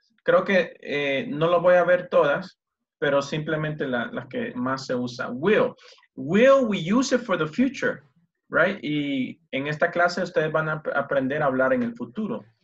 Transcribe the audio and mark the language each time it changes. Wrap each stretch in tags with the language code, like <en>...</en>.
<es>Creo que no lo voy a ver todas, pero simplemente la que más se usa.</es> <en>Will. Will, we use it for the future, right?</en> <es>Y en esta clase ustedes van a aprender a hablar en el futuro.</es>